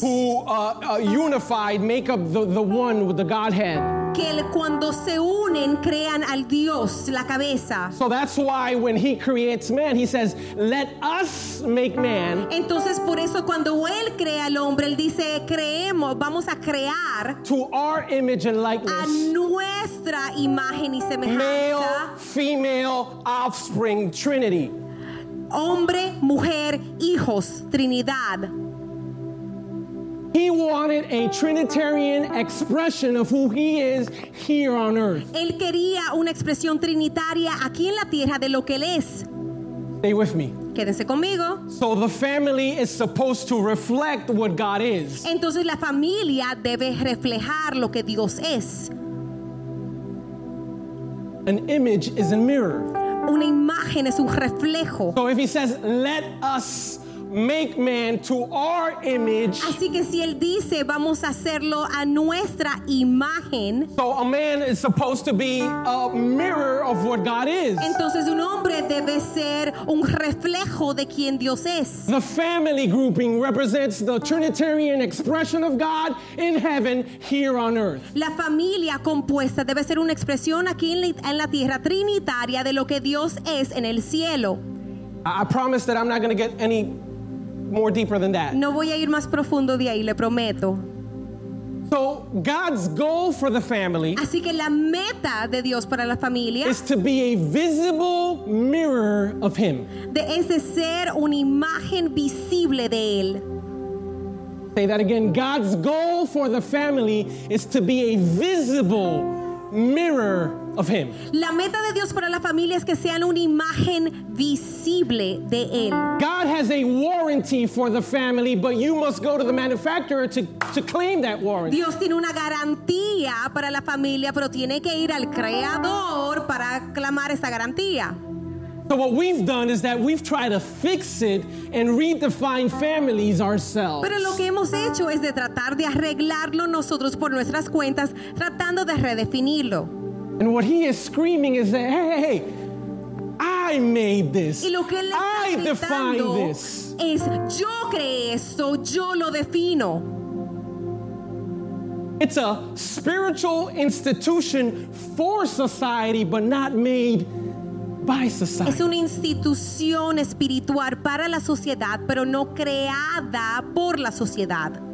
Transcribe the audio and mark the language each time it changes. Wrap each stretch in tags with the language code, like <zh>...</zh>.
<en>who unified make up the one with the Godhead.</en> <es>Que cuando se unen crean al Dios la cabeza.</es> <en>So that's why when he creates man, he says, "Let us make man."</en> <es>Entonces por eso cuando él crea al hombre, él dice, "Creemos, vamos a crear."</es> <en>To our image and likeness.</en> <es>A nuestra nuestra imagen y semejanza.</es> <en>Male, female, offspring, Trinity.</en> <es>Hombre, mujer, hijos, Trinidad.</es> <en>He wanted a Trinitarian expression of who he is here on earth.</en> <es>Él quería una expresión trinitaria aquí en la tierra de lo que él es.</es> <en>Stay with me.</en> <es>Quédense conmigo.</es> <en>So the family is supposed to reflect what God is.</en> <es>Entonces la familia debe reflejar lo que Dios es.</es> <en>An image is a mirror.</en> <es>Una imagen es un reflejo.</es> <en>So if he says, let us make man to our image.</en> <es>Así que si él dice, vamos a hacerlo a nuestra imagen.</es> <en>So a man is supposed to be a mirror of what God is.</en> <es>Entonces un hombre debe ser un reflejo de quien Dios es.</es> <en>The family grouping represents the Trinitarian expression of God in heaven, here on earth.</en> <es>La familia compuesta debe ser una expresión aquí en la tierra trinitaria de lo que Dios es en el cielo.</es> <en>I promise that I'm not going to get any more deeper than that.</en> <es>No voy a ir más profundo de ahí, le prometo.</es> <en>So God's goal for the family,</en> <es>así que la meta de Dios para la familia,</es> <en>is to be a visible mirror of him.</en> <es>De ese ser una imagen visible de él.</es> <en>Say that again. God's goal for the family is to be a visible mirror of him.</en> <es>La meta de Dios para la familia es que sean una imagen visible de él.</es> <en>God has a warranty for the family, but you must go to the manufacturer to claim that warranty.</en> <es>Dios tiene una garantía para la familia, pero tiene que ir al creador para clamar esa garantía.</es> <en>So what we've done is that we've tried to fix it and redefine families ourselves.</en> <es>Pero lo que hemos hecho es de tratar de arreglarlo nosotros por nuestras cuentas, tratando de redefinirlo.</es> <en>And what he is screaming is that, hey, I made this.</en> <es>Y lo que él está</es> <en>I define this.</en> <es>Es, yo creé esto, yo lo defino.</es> <en>It's a spiritual institution for society, but not made by society.</en> <es>Es una institución espiritual para la sociedad, pero no creada por la sociedad.</es>